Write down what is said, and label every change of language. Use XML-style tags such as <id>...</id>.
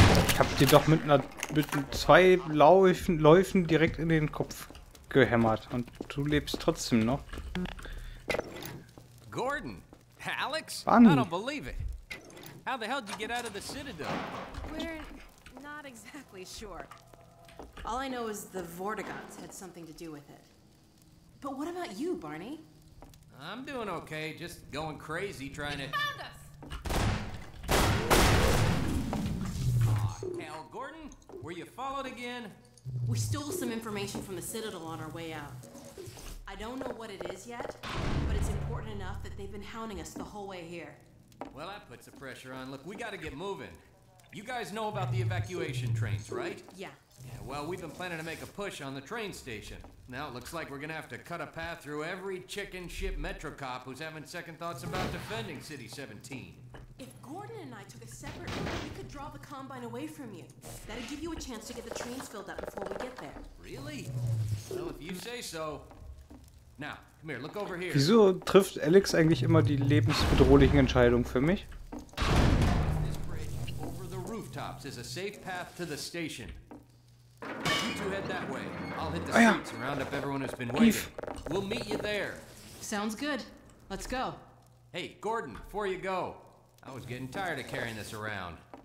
<de>Ich hab dir doch mit zwei Läufen direkt in den Kopf gehämmert und du lebst trotzdem noch.</de> <en>Gordon, Alex, Bunny. I don't believe it. How the hell did you get out of the Citadel? We're not exactly sure. All I know is the Vortigaunts had something to do with it. But what about you, Barney? I'm doing okay, just going crazy trying to. Found us. Hell, Gordon, were you followed again? We stole some information from the Citadel on our way out. I don't know what it is yet, but it's important enough that they've been hounding us the whole way here. Well, that puts the pressure on. Look, we gotta get moving. You guys know about the evacuation trains, right? Yeah. Yeah, well, we've been planning to make a push on the train station. Now it looks like we're gonna have to cut a path through every chicken shit Metro cop who's having second thoughts about defending City 17. If Gordon and I took a separate route, we could draw the Combine away from you. That'd give you a chance to get the trains filled up before we get there. Really? Well, if you say so. Now, come here, look over here.</en> <de>Wieso trifft Alex eigentlich immer die lebensbedrohlichen Entscheidungen für mich?</de> <en>This bridge over the rooftops is a safe path to the station. You two head that way. I'll hit the streets and round up everyone who's been waiting. We'll meet you there. Sounds good. Let's go. Hey, Gordon, before you go. I was getting tired of carrying this around.</en>